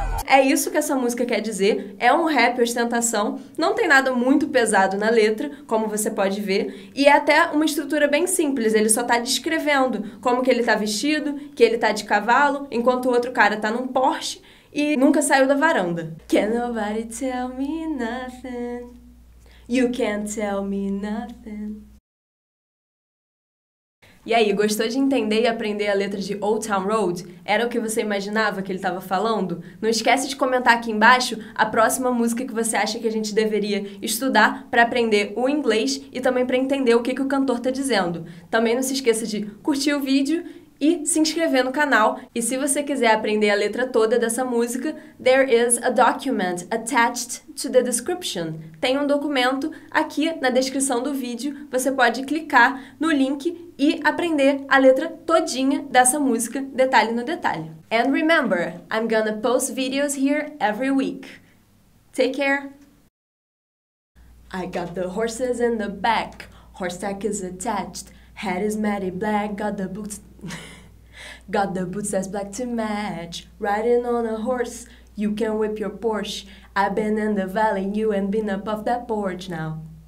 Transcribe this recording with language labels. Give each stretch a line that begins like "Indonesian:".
Portuguese: É isso que essa música quer dizer, é um rap ostentação, não tem nada muito pesado na letra, como você pode ver, e é até uma estrutura bem simples, ele só tá descrevendo como que ele tá vestido, que ele tá de cavalo, enquanto o outro cara tá num Porsche e nunca saiu da varanda.
English: Can nobody tell me nothing? You can't tell me nothing.
Portuguese: E aí, gostou de entender e aprender a letra de Old Town Road? Era o que você imaginava que ele estava falando? Não esquece de comentar aqui embaixo a próxima música que você acha que a gente deveria estudar para aprender o inglês e também para entender o que, que o cantor está dizendo. Também não se esqueça de curtir o vídeo e se inscrever no canal. E se você quiser aprender a letra toda dessa música,
English: there is a document attached to the description.
Portuguese: Tem um documento aqui na descrição do vídeo, você pode clicar no link e aprender a letra todinha dessa música, detalhe no detalhe.
English: And remember, I'm gonna post videos here every week. Take care! I got the horses in the back, horse tack is attached, head is matte black, got the boots... got the boots that's black to match, riding on a horse, you can whip your Porsche, I've been in the valley, you ain't been above that porch now.